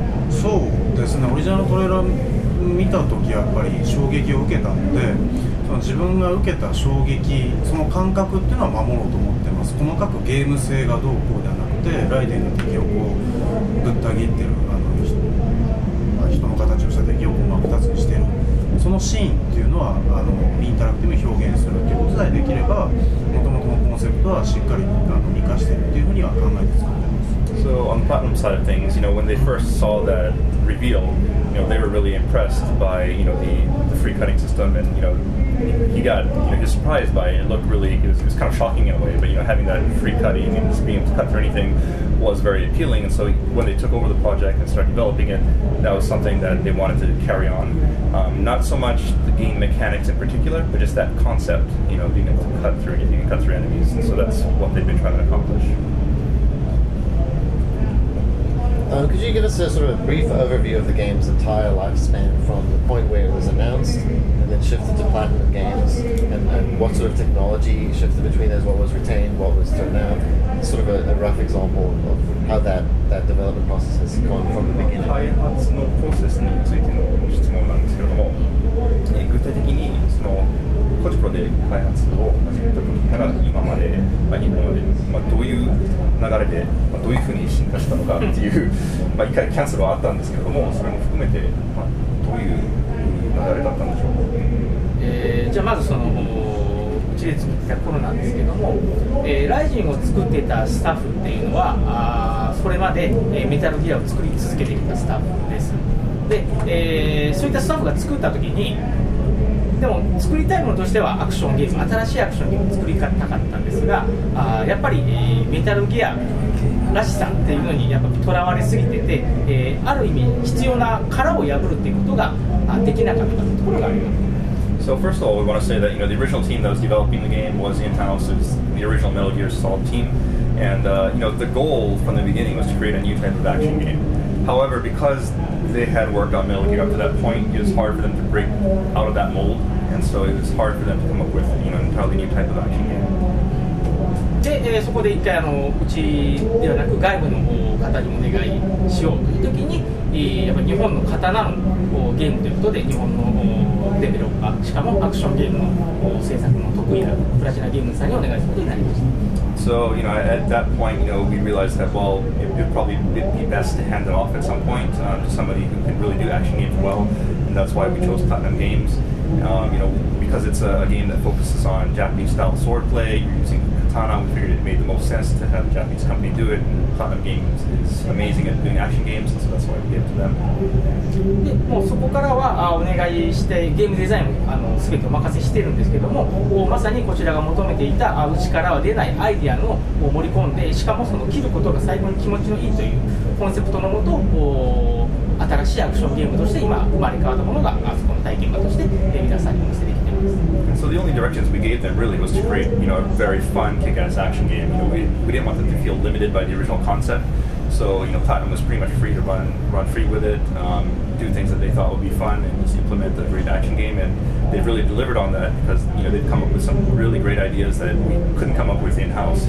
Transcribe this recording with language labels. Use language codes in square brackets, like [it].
[ja] そうですね、オリジナルトレーラー見たときやっぱり衝撃を受けたので、その自分が受けた衝撃、その感覚っていうのは守ろうと思ってます。細かくゲーム性がどうこうではなくて、ライデンの敵をこうぶった切ってる、人の形をした敵を真っ二つにしてる、そのシーンっていうのはインタラクティブに表現するっていうことさえできれば、もともとのコンセプトはしっかり生かしてるっていうふうには考えてます。 [en] So on the Platinum side of things, you know, when they first saw that reveal, you know, they were really impressed by, you know, the free cutting system, and you know, he got, you know, he was surprised by it. It looked really, it was kind of shocking in a way, but you know, having that free cutting and just being able to cut through anything was very appealing. And so when they took over the project and started developing it, that was something that they wanted to carry on. Not so much the game mechanics in particular, but just that concept, you know, being able to cut through anything and cut through enemies. And so that's what they've been trying to accomplish. Could you give us a sort of brief overview of the game's entire lifespan from the point where it was announced and then shifted to Platinum Games, and what sort of technology shifted between those, what was retained, what was thrown out, sort of a rough example of how that development process has gone from the beginning? [ja] 開発のプロセスについての質問なんですけれども、具体的にそのコジプロで開発を始めた時から今まで、今まで、どういう流れで、どういうふうに進化したのかっていう、一回キャンセルはあったんですけれども、それも含めて、どういう流れだったんでしょうか。じゃあまずそのうちで作ってた頃なんですけども、ライジンを作ってたスタッフっていうのは、それまで、メタルギアを作り続けてきたスタッフです。で、そういったスタッフが作った時に、でも作りたいものとしてはアクションゲーム、新しいアクションゲームを作りたかったんですが、やっぱり、メタルギアらしさっていうのにやっぱとらわれすぎてて、ある意味必要な殻を破るっていうことができなかったところがあります。 [en] So first of all, we want to say that, you know, the original team that was developing the game was in-house. It was the original Metal Gear Solid team. And, you know, the goal from the beginning was to create a new type of action game. However, because they had worked on Metal Gear up to that point, it was hard for them to break out of that mold. And so it was hard for them to come up with, you know, an entirely new type of action game. [ja] で、そこで一回、うちではなく外部の方にお願いしようというときに、やっぱ日本の刀のゲームということで、日本のデベロッパー、しかもアクションゲームの制作の得意なプラチナゲームさんにお願いすることになりました。 [en] So, you know, at that point, you know, we realized that, well, it would probably be best to hand it off at some point to somebody who can really do action games well, and that's why we chose Platinum Games. You know, because it's a game that focuses on Japanese-style swordplay, you're using katana, we figured it made the most sense to have a Japanese company do it, and Platinum Games is amazing at doing action games, and so that's why we gave it to them. [ja] で、もうそこからはお願いしてゲームデザインを全てお任せしてるんですけども、まさにこちらが求めていた内からは出ないアイディアのを盛り込んで、しかもその切ることが最後に気持ちのいいというコンセプトのもと、新しいアクションゲームとして今生まれ変わったものがあそこの体験場として皆さんにお見せできています。 [en] So the only directions we gave them really was to create, you know, a very fun kick-ass action game. You know, we didn't want them to feel limited by the original concept. So, you know, Platinum was pretty much free to run free with it, do things that they thought would be fun and just implement a great action game. And they've really delivered on that because, you know, they've come up with some really great ideas that we couldn't come up with in-house.